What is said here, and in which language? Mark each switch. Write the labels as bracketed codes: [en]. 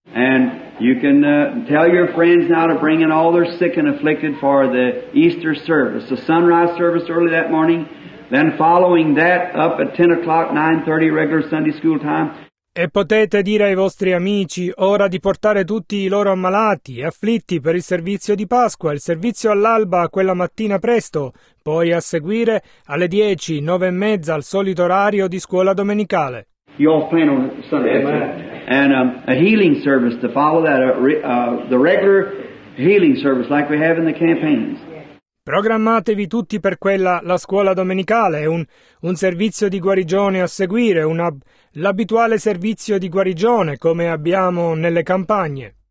[en] And you can tell your friends now to bring in all their sick and afflicted for the Easter service, the sunrise service early that morning, then following that up at 10 o'clock, 9:30 regular Sunday school time. [it] E potete dire ai vostri amici ora di portare tutti i loro ammalati e afflitti per il servizio di Pasqua, il servizio all'alba quella mattina presto, poi a seguire alle 10, 9:30 al solito orario di scuola domenicale. [en] You all plan on Sunday. Amen. And a healing service to follow that, the regular healing service like we have in the campaigns. [it] Programmatevi tutti per quella, la scuola domenicale, un servizio di guarigione a seguire, l'abituale servizio di guarigione come abbiamo nelle campagne.